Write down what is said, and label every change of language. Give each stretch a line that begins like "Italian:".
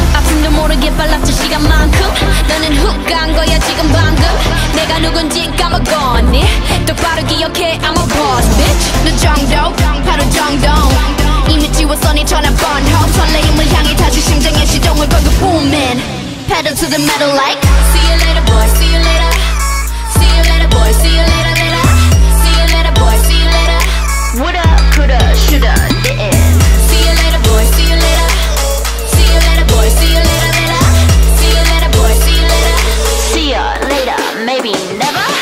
Korean: 아픔도 모르게 빨랐지 시간만큼. 너는 훅 간 거야 지금 방금. 내가 누군지 까먹었니?
English: 똑바로 기억해 I'm a boss bitch.
Korean: 너 정도 바로 정동. 이미 지웠어 네 전화번호. 설레임을 향해 다시 심장의 시동을 걸고 booming.
English: Pedal to the metal like. See you later boy, see you later. Boy, see you later, later. See you later, boy, see you later. Woulda, coulda, shoulda, didn't. See you later, boy, see you later. See you later, boy, see you later, later. See you later, boy, see you later. See you later, maybe never.